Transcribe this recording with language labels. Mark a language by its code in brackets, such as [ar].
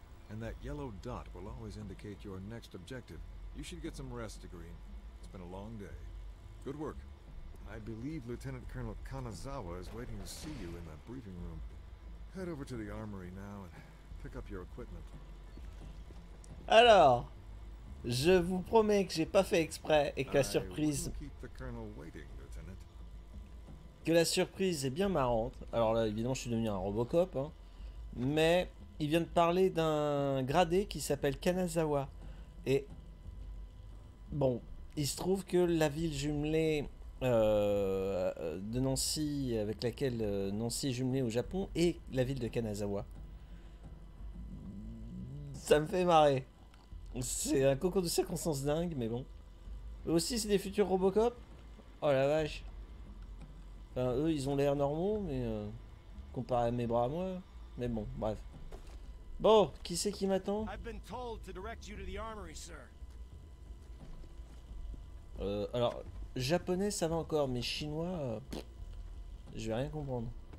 [en] And that yellow dot will always indicate your next objective. You should get some rest, DeGreen. It's been a long day. Good work. I believe Lieutenant Colonel Kanazawa is waiting to see you in the briefing room. Head over to the armory now and pick up your equipment. [fr] Alors, je vous promets que j'ai pas fait exprès et que la surprise... [en] I will keep the Colonel waiting, Lieutenant. [fr] Que la surprise est bien marrante. Alors là, évidemment, je suis devenu un Robocop, hein. Mais il vient de parler d'un gradé qui s'appelle Kanazawa. Et Bon, il se trouve que la ville jumelée de Nancy, avec laquelle Nancy est jumelée au Japon, est la ville de Kanazawa. Ça me fait marrer. C'est un concours de circonstances dingue, mais bon. Eux aussi, c'est des futurs Robocop? Oh la vache. Enfin, eux, ils ont l'air normaux, mais comparé à mes bras à moi. Mais bon, bref. Bon, qui c'est qui m'attend? [en] I've been told to direct you to the armory, sir. [fr] Alors, japonais, ça va encore, mais chinois, je vais rien comprendre.